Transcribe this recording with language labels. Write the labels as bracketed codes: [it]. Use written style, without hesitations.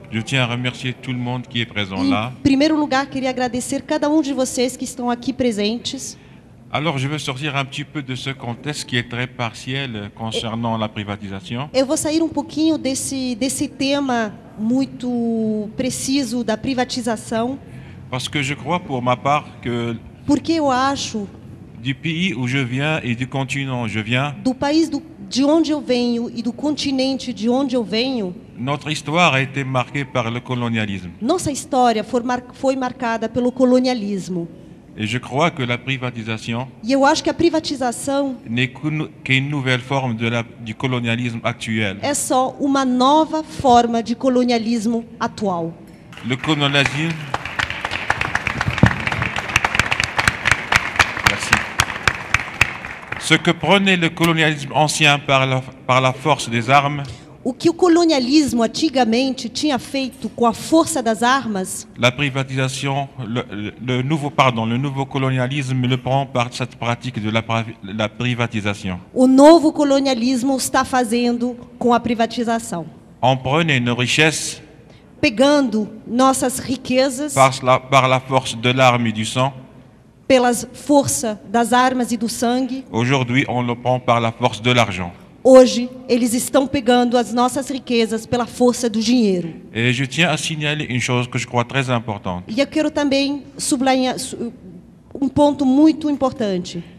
[fr] Je tiens à remercier tout le monde qui est présent là. [pt] Em primeiro lugar, queria agradecer cada de vocês que estão aqui presentes. [fr] Alors, je veux sortir un petit peu de ce contexte qui est très partiel concernant la privatisation. [pt] Eu vou sair pouquinho desse tema muito preciso da privatização. [fr] Parce que je crois pour ma part que [pt] porque eu acho [fr] du pays où je viens et du continent où je viens. [pt] Do país de onde eu venho e do continente de onde eu venho. [fr] Notre histoire a été marquée par le colonialisme. [pt] Nossa história foi marcada pelo colonialismo. [fr] Et je crois que la privatisation. [pt] E eu acho que a privatização [fr] n'est qu'une nouvelle forme du colonialisme actuel. [pt] É só uma nova forma de colonialismo atual. [fr] Le colonialisme. Ce que prenait le colonialisme ancien par la force des armes. [pt] O que o colonialismo antigamente tinha feito com a força das armas? [fr] La privatisation, le nouveau colonialisme le prend par cette pratique de la privatisation. [pt] O novo colonialismo está fazendo com a privatização. [fr] En prenant nos richesses. [pt] Pegando nossas riquezas. [fr] Par la force de l'arme et du sang. [pt] Pela força das armas e do sangue. [fr] Aujourd'hui, on le prend par la force de l'argent. [pt] Hoje, eles estão pegando as nossas riquezas pela força do dinheiro. [fr] Et je tiens à signaler une chose que je crois très importante. [pt] E eu quero também sublinhar um ponto muito importante.